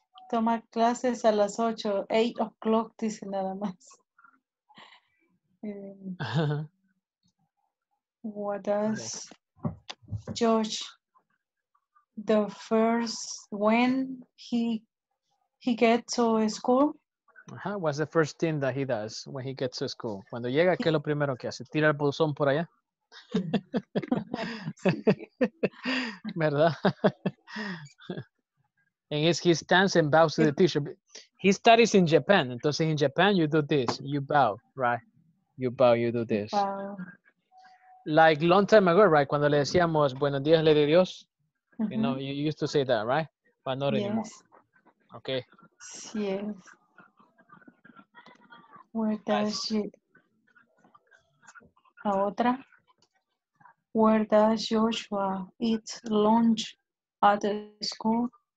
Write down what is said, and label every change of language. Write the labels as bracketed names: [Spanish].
[Spanish] Toma clases a las 8, 8 o'clock, dice nada más. [English] What does George the first when he gets to school? What's the first thing that he does when he gets to school? [Spanish] Cuando llega, ¿qué es lo primero que hace? ¿Tira el bolsón por allá? ¿Verdad? [English] And he stands and bows to the teacher. He studies in Japan. Entonces, in Japan, you do this. You bow, right? You bow, you do this. Like long time ago, right? [Spanish] Cuando le decíamos, buenos días, le de Dios. [English] You know, you used to say that, right? But not anymore. Yes. Okay. Yes. Where does she... [Spanish] La otra. [English] Where does Joshua eat lunch at the school?